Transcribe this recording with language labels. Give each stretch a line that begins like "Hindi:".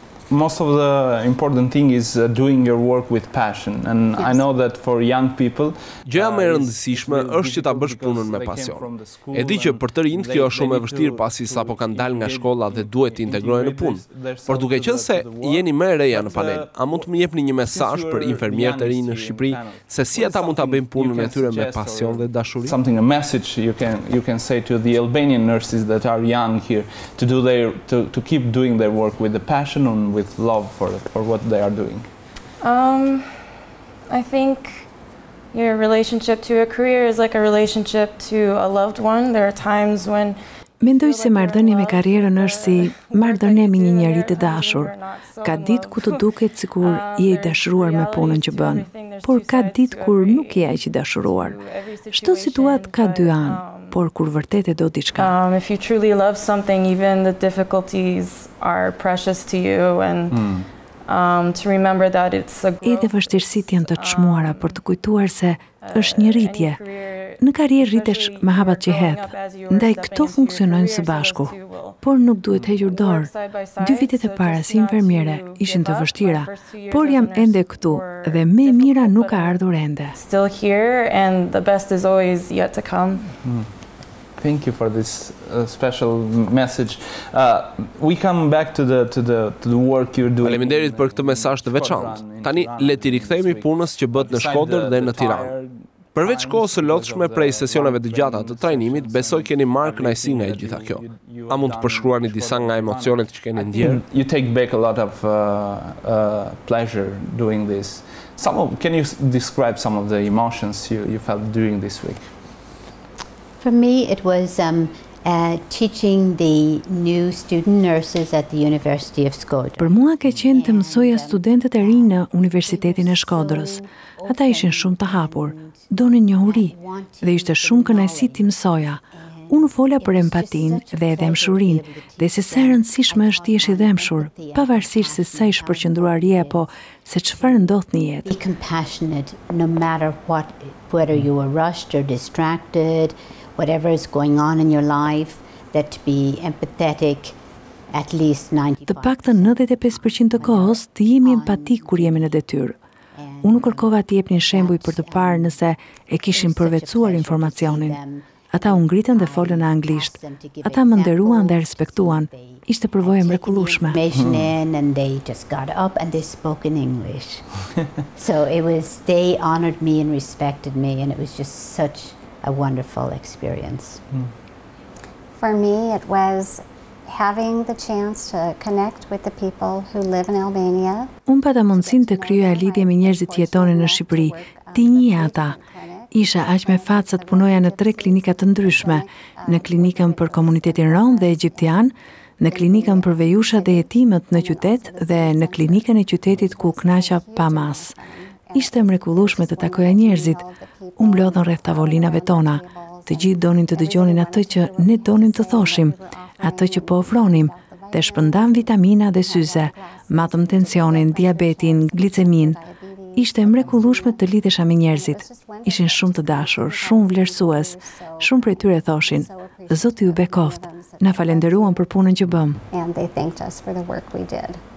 English: Most of the important thing is doing your work with passion and yes. I know that for young people
Albanian: gjëja më e rëndësishme është që ta bësh punën me pasion. E di që për të rinjt kjo është shumë e vështirë pasi sapo kanë dalë nga shkolla dhe duhet të integrohen në punë. Por duke qenë se jeni më e reja në panel, a mund të më jepni një mesazh për infermierët e rinj në Shqipëri se si ata mund ta bëjnë punën e tyre me pasion dhe dashuri?
English: Something a message you can say to the Albanian nurses that are young here to do their to keep doing their work with the passion and with love for what they are doing. I think your relationship to a career is like a relationship to a loved one. There are times when
Albanian: Mendoj se marrëdhënia me karrierën është si marrëdhënia me një njeri të dashur. Ka ditë ku të duket sikur je i dashuruar me punën që bën, por ka ditë kur nuk je aq i dashuruar. Çdo situatë ka dy anë, por kur vërtet e do diçka.
English: If you truly love something, even the difficulties are precious to you and to remember that it's a
Albanian: Edhe vështirësitë janë të çmuara për të kujtuar se është një rritje. Në karrierë rritesh me hapat që hedh, ndaj këto funksionojnë së bashku, por nuk duhet hequr dorë. Dy vitet e para si infermiere ishin të vështira, por jam ende këtu dhe më e mira nuk ka ardhur ende.
English: Still here and the best is always yet to come. Thank you for this special message. We come back to the work you're doing.
Albanian: Faleminderit për këtë mesazh të veçantë. Tani le të rikthehemi punës që bëhet në Shkodër dhe në Tiranë. Përveç kohës së lodhshme prej sesioneve të gjata të trajnimit, besoj keni marrë kënaqësi nga e gjitha kjo. A mund të përshkruani disa nga emocionet që keni ndjerë?
English: You take back a lot of pleasure doing this. Can you describe some of the emotions you felt during this week? For me it was teaching the new student nurses at the University of Shkodër.
Albanian: Për mua ka qenë të mësoja studentët e rinj në Universitetin e Shkodrës. Ata ishin shumë të hapur, donin njohuri dhe ishte shumë kënaqësi të mësoja. Unë fola për empatin dhe dhemshurin dhe se sa rëndësishme është të jesh i dhemshur, pavarësisht se sa i shpërqendruar je apo se çfarë ndodh në jetë.
English: Be compassionate no matter whether you are rushed or distracted, whatever is going on in your life, that to be empathetic at least 95%.
Albanian: Të paktën 95% të kohës të jemi empatik kur jemi në detyrë. Unë kërkova të jepnin shembuj për të parë nëse e kishin përvetësuar informacionin. Ata u ngritën dhe folën anglisht. Ata më nderuan dhe respektuan. Ishte përvojë mrekullueshme.
English: And they just got up and they spoke in English. So it was they honored me and respected me and it was just such a wonderful experience. For me it was having the chance to connect with the people who live in Albania.
Albanian: Unë pata mundësinë të krijoja lidhje me njerëzit që jetonin në Shqipëri, të njihja ata. Isha aq me fat sa të punoja në tre klinika të ndryshme, në klinikën për komunitetin rom dhe egjiptian, në klinikën për vejushat dhe jetimet në qytet dhe në klinikën e qytetit ku kënaqa pa mas. Ishte mrekullueshme të takoja njerëzit. U mblodhën rreth tavolinave tona. Të gjithë donin të dëgjonin atë që ne donim të thoshim, atë që po ofronim, dhe shpëndan vitamina dhe syze, matëm tensionin, diabetin, glicemin. Ishte mrekullueshme të lidhesha me njerëzit. Ishin shumë të dashur, shumë vlerësues. Shumë prej tyre thoshin: "Zoti ju bekoft. Na falënderuan për punën që bëm."
English: And they thanked us for the work we did.